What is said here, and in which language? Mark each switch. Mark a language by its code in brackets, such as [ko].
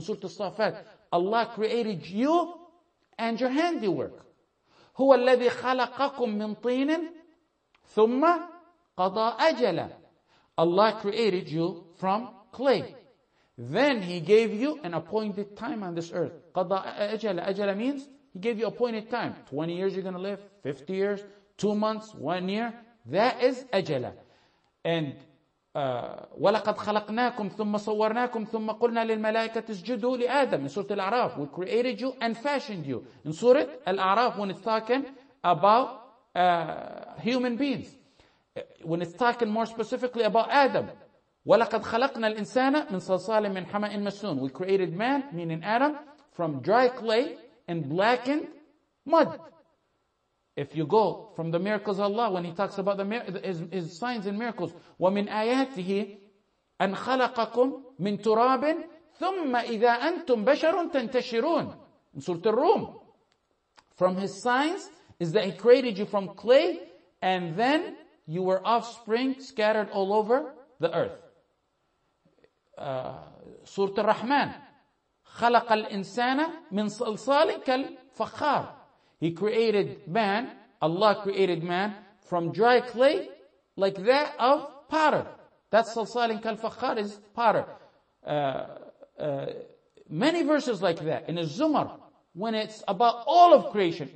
[en] سورة الصافات, Allah created you and your handiwork. [ar] هُوَ الَّذِي خَلَقَكُمْ مِنْ طِينٍ ثُمَّ قضى أجلا. [en] Allah created you from clay. Then He gave you an appointed time on this earth. [ar] قضى أجلا. [en] أجلا means He gave you appointed time. 20 years you're going to live, 50 years, 2 months, 1 year. That is أجلا. [ar] And ولقد خلقناكم ثم صورناكم ثم قلنا للملائكة اسجدوا لآدم. [en] In Surah Al-A'raf, we created you and fashioned you. In Surah Al-A'raf, when it's talking about human beings, when it's talking more specifically about Adam, [ar] وَلَقَدْ خَلَقْنَا الْإِنسَانَ مِنْ صَلْصَالٍ مِنْ حَمَإٍ مَسْنُونَ. [en] We created man, meaning Adam, from dry clay and blackened mud. If you go from the miracles of Allah, when He talks about His signs and miracles, [ar] وَمِنْ آيَاتِهِ أَنْ خَلَقَكُمْ مِنْ تُرَابٍ ثُمَّ إِذَا أَنْتُمْ بَشَرٌ تَنْتَشِرُونَ. [en] In Surah Al-Rum, from His signs is that He created you from clay and then you were offspring scattered all over the earth. [ar] Surah Al-Rahman, خلق الإنسان من صلصال كالفخار. [en] He created man, Allah created man, from dry clay like that of potter. That [ar] صلصال كالفخار [en] is potter. Many verses like that in Az-Zumar, when it's about all of creation.